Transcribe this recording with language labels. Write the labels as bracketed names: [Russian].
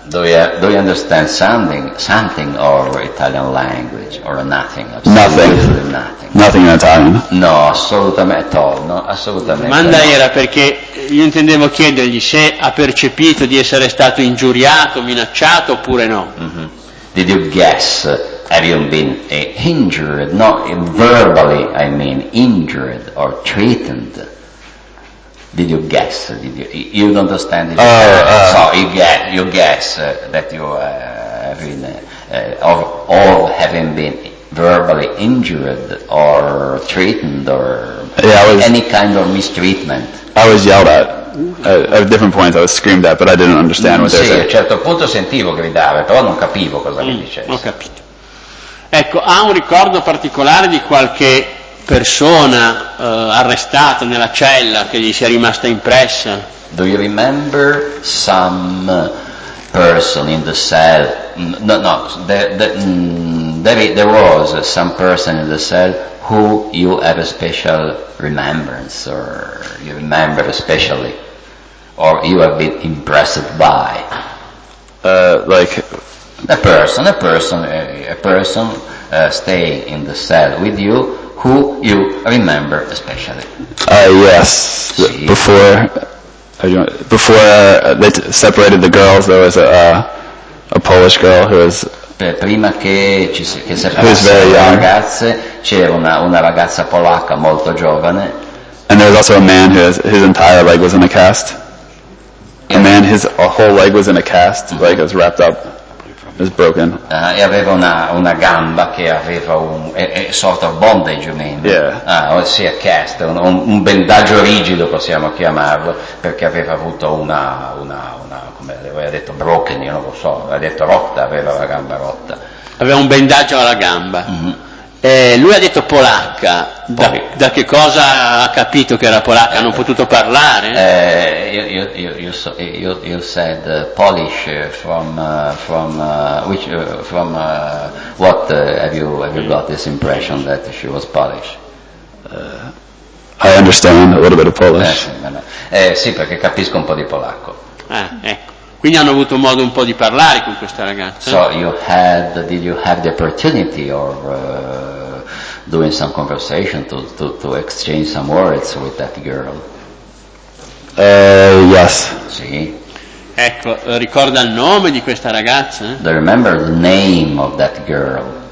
[English] Do you understand something of Italian language or nothing? Nothing in Italian. [Italian] No, assolutamente. Manda era perché io intendevo chiedergli se ha percepito di essere stato ingiuriato, minacciato oppure no. [English] Mm-hmm. Did you guess? Have you been injured? Not verbally, I mean, injured or threatened. Did you guess? Did you don't understand it. So you guess that you have been or having been verbally injured or threatened or any kind of mistreatment. I was yelled at. At different points I was screamed at, but I didn't understand what they were saying. [Italian] Sì, a certo punto sentivo gridare, però non capivo cosa mi dicesse. Ho capito. Ecco, ha un ricordo particolare di qualche persona arrestata nella cella che gli sia rimasta impressa? [English] Do you remember some person in the cell? There was some person in the cell who you have a special remembrance or you remember especially or you have been impressed by? A person staying in the cell with you who you remember especially. Before they separated the girls, there was a Polish girl who was [Italian] prima che separasse le ragazze, c'era una ragazza polacca molto giovane. [English] And there was also a man whose entire leg was in a cast. Whole leg was in a cast, mm-hmm. Like it was wrapped up. It was broken. [Italian] E aveva una gamba che aveva un [English] sort of bondage, you mean? Yeah. [Italian] Ossia cast, un bendaggio rigido possiamo chiamarlo, perché aveva avuto una come lei ha detto broken, io non lo so, ha detto rotta, aveva la gamba rotta. Aveva un bendaggio alla gamba. Mm-hmm. Lui ha detto polacca. Da che cosa ha capito che era polacca? Hanno potuto parlare? [English] You said Polish have you got this impression that she was Polish? I understand a little bit of Polish. [Italian] Sì, perché capisco un po' di polacco. Ecco. Quindi hanno avuto modo un po' di parlare con questa ragazza. [English] So did you have the opportunity or doing some conversation to exchange some words with that girl? Yes. [Italian] Sì. Ecco, ricorda il nome di questa ragazza? [English] Do you remember the name of that girl?